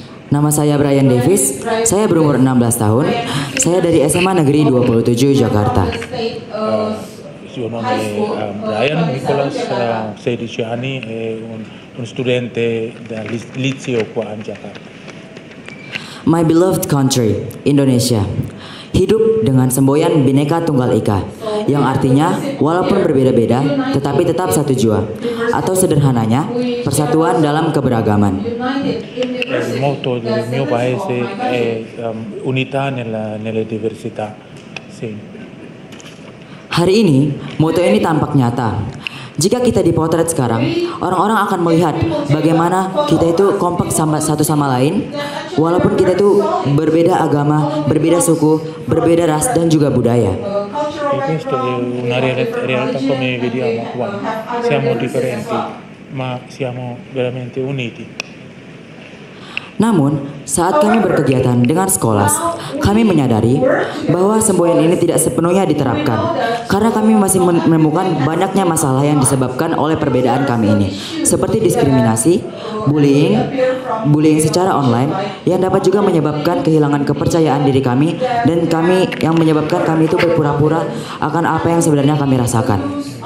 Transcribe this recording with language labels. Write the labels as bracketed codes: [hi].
[id] Nama saya Brian Davis, saya berumur 16 tahun, saya dari SMA Negeri 27 Jakarta. [it] Il mio nome è Brian Nicolas, ho 16 anni e un studente del liceo qua a Jakarta. [id] My beloved country, Indonesia. hidup dengan semboyan Bhinneka Tunggal Ika, yang artinya walaupun berbeda-beda tetapi tetap satu jua, atau sederhananya persatuan dalam keberagaman. [it] Il motto del mio paese è unità nella diversità. Sì. [id] Hari ini motto ini tampak nyata. Jika kita dipotret sekarang, orang-orang akan melihat bagaimana kita itu kompak sama satu sama lain, walaupun kita itu berbeda agama, berbeda suku, berbeda ras dan juga budaya. [it] Questo è una realtà come vediamo qua. Siamo differenti, ma siamo veramente uniti. [id] Namun, saat kami berkegiatan dengan sekolah, kami menyadari bahwa semboyan ini tidak sepenuhnya diterapkan, karena kami masih menemukan banyaknya masalah yang disebabkan oleh perbedaan kami ini, seperti diskriminasi, bullying secara online, yang dapat juga menyebabkan kehilangan kepercayaan diri kami, dan kami yang menyebabkan kami itu berpura-pura akan apa yang sebenarnya kami rasakan.